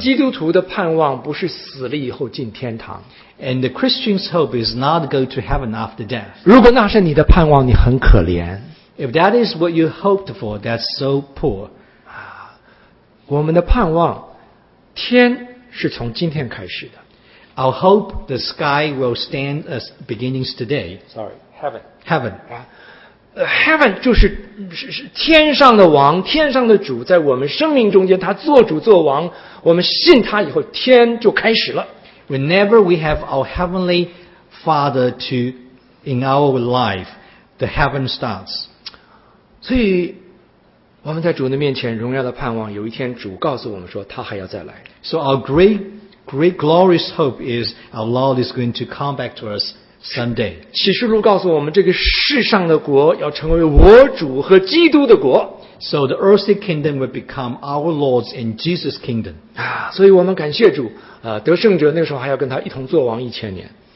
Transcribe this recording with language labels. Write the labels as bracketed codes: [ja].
[zh] 基督徒的盼望不是死了以后进天堂。 [en] And the Christian's hope is not go to heaven after death. [zh] 如果那是你的盼望，你很可怜。 [en] If that is what you hoped for, that's so poor. [zh] 我们的盼望，天是从今天开始的。 [en] Our hope, the sky will stand as beginnings today. Sorry, heaven. Heaven. [zh] Heaven 就是天上的王，天上的主在我们生命中间，他做主做王，我们信他以后，天就开始了。 [en] Whenever we have our heavenly father in our life, the heaven starts. [zh] 所以我们在主的面前荣耀的盼望，有一天主告诉我们说他还要再来。 [en] So our great glorious hope is our Lord is going to come back to us someday. [zh] 启示录告诉我们这个世上的国要成为我主和基督的国。 [en] So the earthly kingdom will become our Lord's and Jesus' kingdom. [zh] 所以我们感谢主，得胜者那时候还要跟他一同作王一千年。